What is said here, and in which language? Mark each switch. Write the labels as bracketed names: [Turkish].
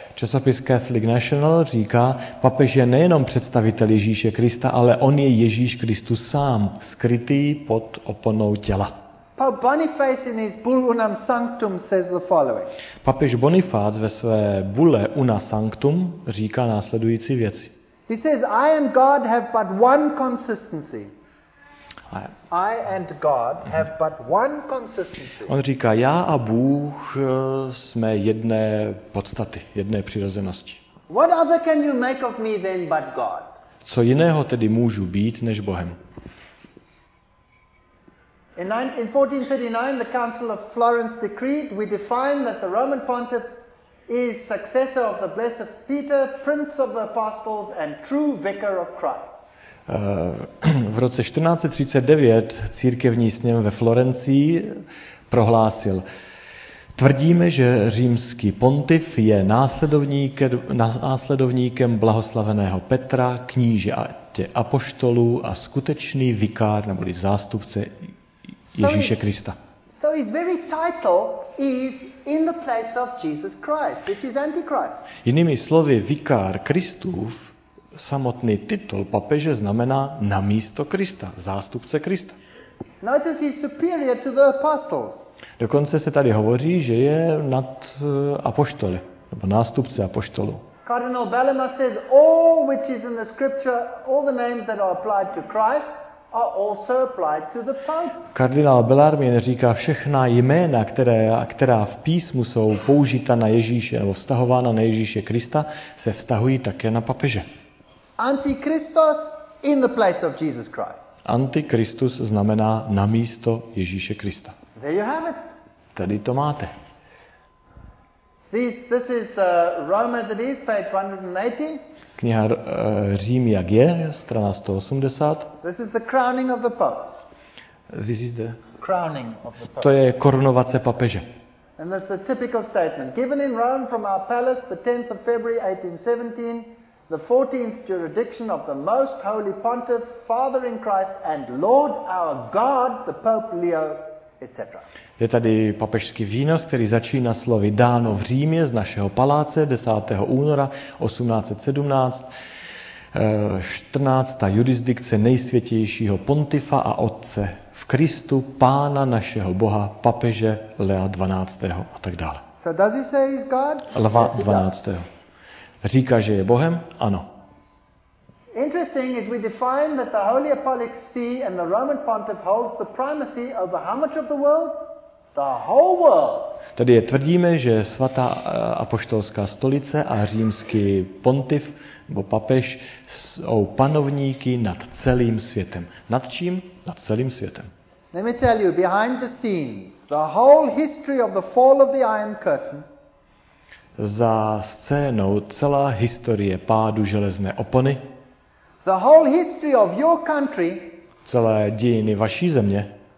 [Czech] Časopis Catholic National říká, papež je nejenom představitel Ježíše Krista, ale on je Ježíš Kristus sám, skrytý pod oponou těla. [English] Pope Boniface in his Bull Unam Sanctum says the following. [Czech] Papež Bonifác ve své bule Una Sanctum říká následující věci. [English] He says, I and God have but one consistency. I and God have but one consistency. [Czech] On říká, já a Bůh jsme jedné podstaty, jedné přirozenosti. [English] What other can you make of me then but God? [Czech] Co jiného tedy můžu být než Bohem? [English] In 1439, the Council of Florence decreed, we define that the Roman Pontiff is successor of the Blessed Peter, Prince of the Apostles and true Vicar of Christ. [Czech] V roce 1439 církevní sněm ve Florencii prohlásil, tvrdíme, že římský pontif je následovníkem blahoslaveného Petra, kníže a apoštolů a skutečný vikár nebo zástupce Ježíše Krista. [English] So his very title is in the place of Jesus Christ, which is Antichrist. [Czech] Jinými slovy, vikár Kristův samotný titul papeže znamená na místo Krista, zástupce Krista. [English] Notice he's superior to the apostles. [Czech] Dokonce se tady hovoří, že je nad apoštoly, nebo nástupce apoštolů. [English] Cardinal Bellarmine says all which is in the scripture, all the names that are applied to Christ, are also applied to the Pope. [Czech] Kardinál Bellarmine říká, všechna jména, která v písmu jsou použita na Ježíše nebo vztahována na Ježíše Krista, se vztahují také na papeže. [English] Antichristos in the place of Jesus Christ. [Czech] Antikristus znamená na místo Ježíše Krista. [English] There you have it. [Czech] Tady to máte. [English] This is the Rome as it is, page 180. [Czech] Kniha Řím jak je, strana 180. [English] This is the crowning of the Pope. This is the crowning of the Pope. [Czech] To je korunovace papeže. [English] And this is a typical statement given in Rome from our palace the 10th of February 1817. The 14th jurisdiction of the most holy pontiff, father in Christ and lord our God, the Pope Leo, etc. [Czech] Je tady papežský výnos, který začíná slovy dáno v Římě z našeho paláce 10. února 1817. 14. jurisdikce nejsvětějšího pontifa a otce v Kristu, pána našeho Boha, papeže Lea 12. a tak dále. [English] So does he say he's God? [Czech] Lva 12. Říká, že je Bohem? Ano. [English] Interesting is we define that the Holy Apostolic See and the Roman Pontiff holds the primacy over how much of the world? The whole world. [Czech] Tady je tvrdíme, že svatá apoštolská stolice a římský pontif nebo papež jsou panovníky nad celým světem. Nad čím? Nad celým světem. [English] Let me tell you, behind the scenes, the whole history of the fall of the Iron Curtain. [Czech] Za scénou celá historie pádu železné opony. [English] The whole history of your country. [Czech] Celé dějiny vaší země.